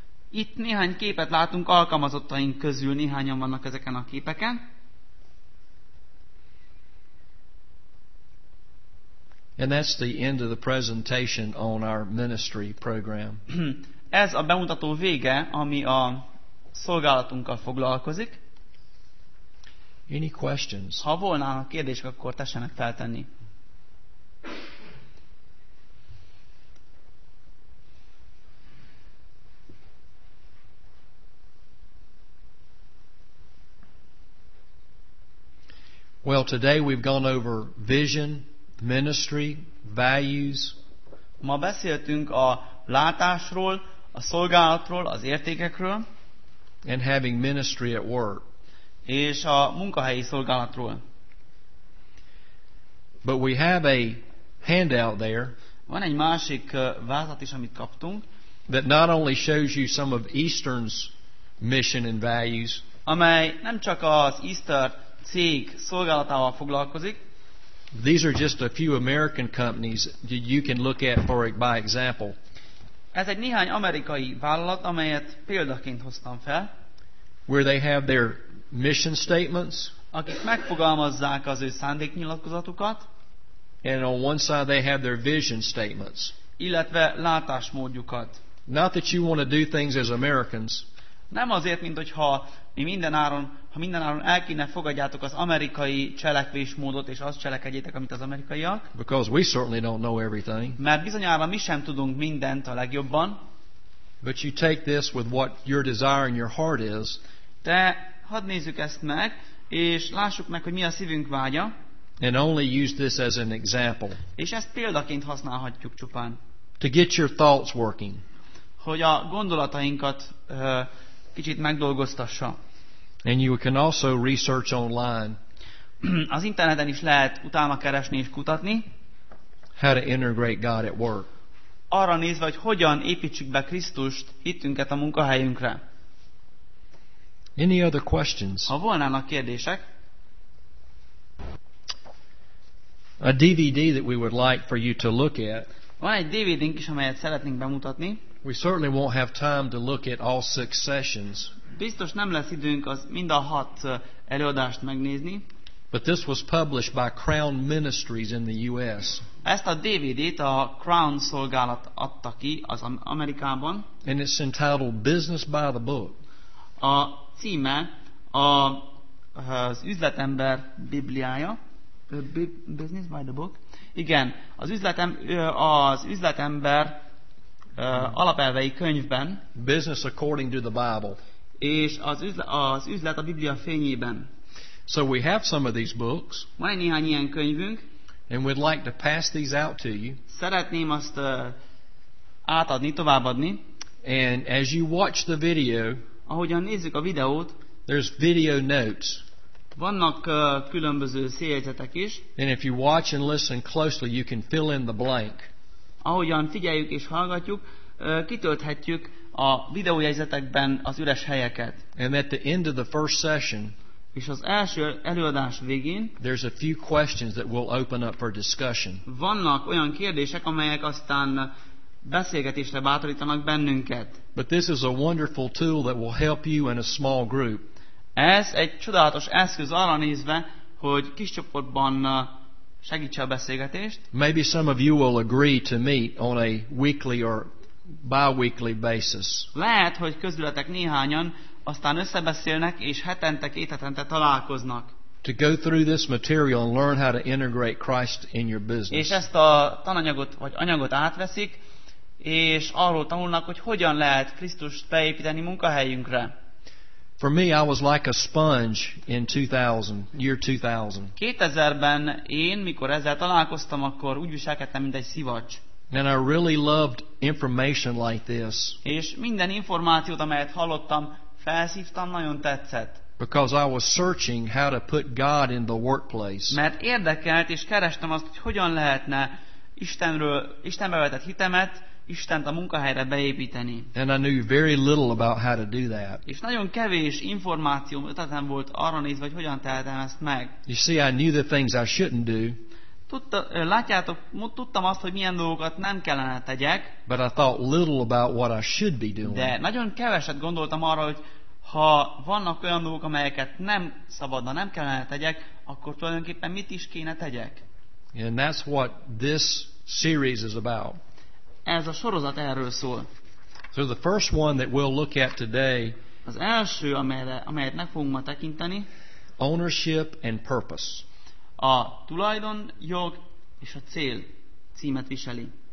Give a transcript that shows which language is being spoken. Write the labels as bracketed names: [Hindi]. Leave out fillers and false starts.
[Hungarian] Itt néhány képet látunk alkalmazottaink közül, néhányan vannak ezeken a képeken. [English] And that's the end of the presentation on our ministry program. [Hungarian] Ez a bemutató vége, ami a szolgálatunkkal foglalkozik. [English] Any questions? [Hungarian] Ha volnának kérdések, akkor tessenek feltenni. [English] Well, today we've gone over vision, ministry, values. [Hungarian] Ma beszéltünk a látásról, a szolgálatról, az értékekről. [English] And having ministry at work. [Hungarian] És a munkahelyi szolgálatról. [English] But we have a handout there. [Hungarian] Van egy másik vázlat is, amit kaptunk. [English] That not only shows you some of Eastern's mission and values. [Hungarian] Amely nem csak az Eastern cég szolgálatával foglalkozik. [English] These are just a few American companies that you can look at for it by example. [Hungarian] Ez egy néhány amerikai vállalat, amelyet példaként hoztam fel. [English] Where they have their mission statements. [Hungarian] Akik megfogalmazzák az ő szándéknyilatkozatukat. [English] And on one side they have their vision statements. [Hungarian] Illetve látásmódjukat. [English] Not that you want to do things as Americans. [Hungarian] Nem azért, mint hogyha mi mindenáron, ha mindenáron el kéne fogadjátok az amerikai cselekvésmódot, és azt cselekedjétek, amit az amerikaiak. [English] Because we certainly don't know everything. [Hungarian] Mert bizonyára mi sem tudunk mindent a legjobban. [English] But you take this with what your desire in your heart is. [Hungarian] De hadd nézzük ezt meg, és lássuk meg, hogy mi a szívünk vágya. [English] And only use this as an example. [Hungarian] És ezt példaként használhatjuk csupán. [English] To get your thoughts working. [Hungarian] Hogy a gondolatainkat kicsit megdolgoztassa. [English] And you can also research online. [Hungarian] Az interneten is lehet utána keresni és kutatni. [English] How to integrate God at work. [Hungarian] Arra nézve, hogy hogyan építsük be Krisztust hitünket a munkahelyünkre. [English] Any other questions? [Hungarian] Ha volnának kérdések. [English] A DVD that we would like for you to look at. [Hungarian] Van egy DVD-nk is, amelyet szeretnénk bemutatni. [English] We certainly won't have time to look at all six sessions. [Hungarian] Biztos nem lesz időnk az mind a hat előadást megnézni. [English] But this was published by Crown Ministries in the U.S. [Hungarian] Ezt a DVD-t a Crown szolgálat adta ki az Amerikában. [English] And it's entitled Business by the Book. [Hungarian] A címe az üzletember Bibliája. Business by the Book. Igen, az üzletember alapelvei könyvben. [English] Business according to the Bible. [Hungarian] És az üzlet a Biblia fényében. [English] So we have some of these books. [Hungarian] Van egy néhány ilyen könyvünk. [English] And we'd like to pass these out to you. [Hungarian] Szeretném azt átadni, továbbadni. [English] And as you watch the video, [Hungarian] ahogyan nézzük a videót, [English] there's video notes. [Hungarian] Vannak különböző széljegyzetek is. [English] And if you watch and listen closely, you can fill in the blank. [Hungarian] Ahogyan figyeljük és hallgatjuk, kitölthetjük a videójegyzetekben az üres helyeket. [English] And at the end of the first session, [Hungarian] és az első előadás végén, [English] there's a few questions that will open up for discussion. [Hungarian] Vannak olyan kérdések, amelyek aztán beszélgetésre bátorítanak bennünket. [English] But this is a wonderful tool that will help you in a small group. [Hungarian] Ez egy csodálatos eszköz arra nézve, hogy kis csoportban segítse a beszélgetést. [English] Maybe some of you will agree to meet on a weekly or bi-weekly basis. [Hungarian] Lehet, hogy közületek néhányan aztán összebeszélnek és hetente, két hetente találkoznak. [English] To go through this material and learn how to integrate Christ in your business. [Hungarian] És ezt a tananyagot vagy anyagot átveszik, és arról tanulnak, hogy hogyan lehet Krisztust beépíteni munkahelyünkre. [English] For me, I was like a sponge in 2000, year 2000. [Hungarian] 2000-ben én, mikor ezzel találkoztam, akkor úgy viselkedtem, mint egy szivacs. [English] And I really loved information like this. [Hungarian] És minden információt, amelyet hallottam, felszívtam, nagyon tetszett. [English] Because I was searching how to put God in the workplace. [Hungarian] Mert érdekelt, és kerestem azt, hogy hogyan lehetne Istenbe vetett hitemet, Istent a munkahelyre beépíteni. [English] And I knew very little about how to do that. [Hungarian] És nagyon kevés információm ötletem volt arra nézve, hogy hogyan tehetem ezt meg. [English] You see, I knew the things I shouldn't do. [Hungarian] Tudtam azt, hogy milyen dolgokat nem kellene tegyek. [English] But I thought little about what I should be doing. [Hungarian] De nagyon keveset gondoltam arra, hogy ha vannak olyan dolgok, amelyeket nem szabadna, nem kellene tegyek, akkor tulajdonképpen mit is kéne tegyek. [English] And that's what this series is about. [Hungarian] Ez a sorozat erről szól. [English] So the first one that we'll look at today, [Hungarian] az első, amelyet meg fogunk ma tekinteni, [English] ownership and purpose. [Hungarian] A tulajdon, jog és a cél címet viseli.